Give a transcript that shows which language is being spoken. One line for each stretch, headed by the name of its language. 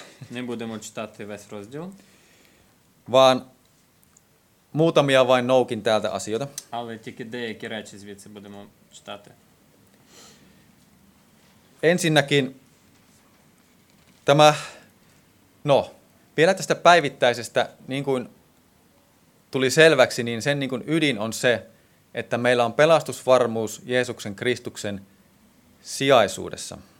Ukrainian: Не будемо читати весь розділ.
Finnish: Vaan Muutamia vain noukin täältä asioita.
Ukrainian: Але тільки деякі речі звідси будемо читати.
Finnish: Ensinnäkin tämä, no, vielä tästä päivittäisestä, niin kuin tuli selväksi, niin sen niin kuin ydin on se, että meillä on pelastusvarmuus Jeesuksen Kristuksen sijaisuudessa.